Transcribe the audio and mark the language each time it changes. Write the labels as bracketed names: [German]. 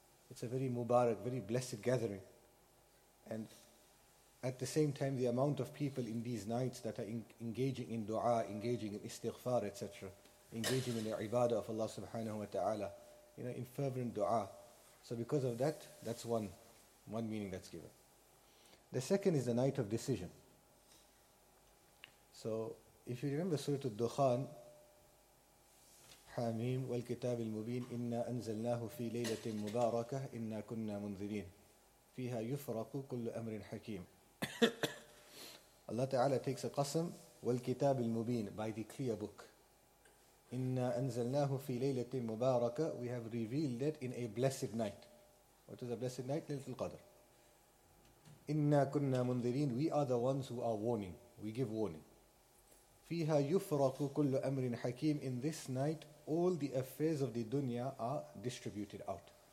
[English] It's a very mubarak, very blessed gathering. And at the same time, the amount of people in these nights that are engaging in dua, engaging in istighfar, etc., engaging in the ibadah of Allah subhanahu wa ta'ala, you know, in fervent dua. So because of that, that's one meaning that's given. The second is the night of decision. So if you remember Surah Al-Dukhan, [Arabic] حَامِيمُ وَالْكِتَابِ الْمُبِينِ إِنَّا أَنْزَلْنَاهُ فِي لَيْلَةٍ مُبَارَكَةٍ إِنَّا كُنَّا مُنْذِرِينَ فِيهَا يُفْرَقُ كُلُّ أَمْرٍ حَكِيمٍ [English] Allah Ta'ala takes a qasam, [Arabic] وَالْكِتَابِ الْمُبِينِ, [English] by the clear book. [Arabic] إِنَّا أَنْزَلْنَاهُ فِي لَيْلَةٍ مُبَارَكَةٍ, [English] we have revealed it in a blessed night. What is a blessed night? Laylatul Qadr. [Arabic] إِنَّا كُنَّا مُنْذِرِينَ, [English] we are the ones who are warning, we give warning. [Arabic] فِيهَا يُفْرَقُ كُلُّ أَمْرٍ حَكِيمٍ, [English] in this night, all the affairs of the dunya are distributed out.